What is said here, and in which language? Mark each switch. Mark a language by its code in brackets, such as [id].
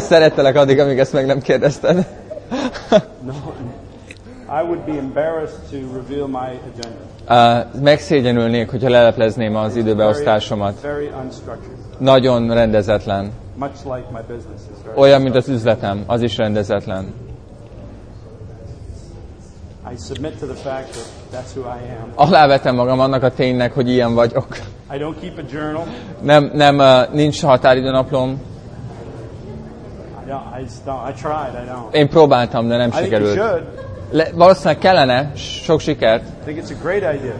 [hu] Szerettelek addig, amíg ezt meg nem kérdezted. [en] No, I would be embarrassed to reveal my agenda. [hu] Megszégyenülnék, hogyha leleplezném az időbeosztásomat. [en] Very, very unstructured. [hu] Nagyon rendezetlen. [en] Much like my business is very [hu] olyan, mint az üzletem, az is rendezetlen. [en] I submit to the fact that that's who I am. [hu] Alávetem magam annak a ténynek, hogy ilyen vagyok. [en] I don't keep a journal. [hu] Nem, nincs határidőnaplom. [en] I tried. [hu] Én próbáltam, de nem sikerült. Valószínűleg kellene, sok sikert. [en] I think it's a great idea.